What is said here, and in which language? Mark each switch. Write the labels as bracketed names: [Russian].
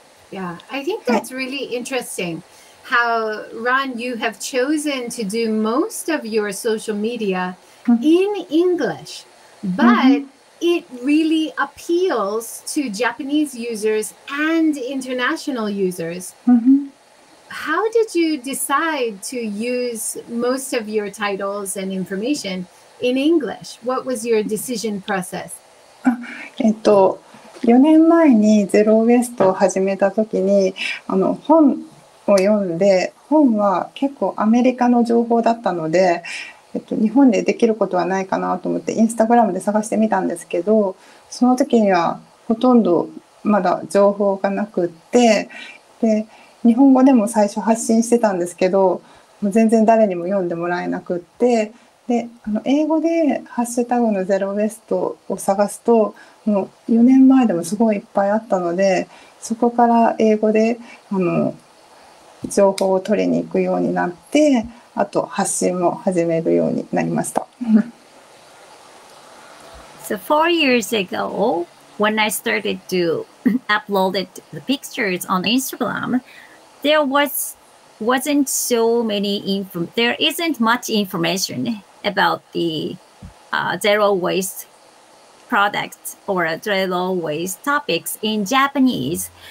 [English] Yeah, I think that's really interesting how, Ron, you have chosen to do most of your social media in English, but it really appeals to Japanese users and international users. How did you decide to use most of your titles and information? In English, what was your decision process? [Japanese] 4年前にゼロウエストを始めた時に本を読んで、本は結構アメリカの情報だったので、日本でできることはないかなと思ってインスタグラムで探してみたんですけど、その時にはほとんどまだ情報がなくって、で日本語でも最初発信してたんですけど、もう全然誰にも読んでもらえなくって、で英語でハッシュタグのゼロウエストを探すと、もう4年前でもすごいいっぱいあったので、そこから英語で情報を取りに行くようになって、あと発信も始めるようになりました。 [English] So 4 years ago, when I started to upload the pictures on Instagram, there isn't much information about the zero waste products or zero waste topics in Japanese.